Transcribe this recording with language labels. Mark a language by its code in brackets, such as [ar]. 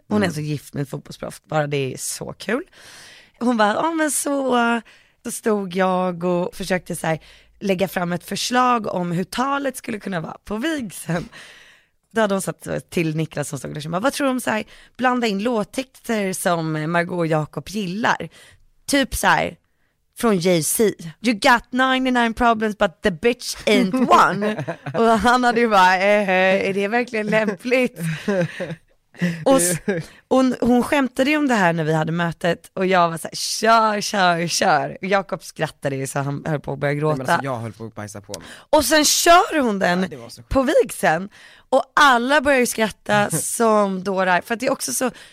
[sv] Hon är så gift med fotbollsproff, bara det är så kul. Hon bara, ja men så stod jag och försökte så här, lägga fram ett förslag om hur talet skulle kunna vara på vigseln. Då hade hon satt till Niklas som stod i duschen, bara, vad tror du om så här, blanda in låttexter som Margot och Jakob gillar? Typ så här... Från Jay-Z. [en] You got 99 problems but the bitch ain't one. [sv] Och han hade ju bara, är det verkligen lämpligt? Och hon skämtade ju om det här när vi hade mötet. Och jag var så här, kör. Jakob skrattade ju så han höll på att börja gråta. Nej, men alltså, jag höll på att bajsa på mig. Och sen kör hon den, ja, på vigseln. Och alla börjar ju skratta som dårar. För att det är också så...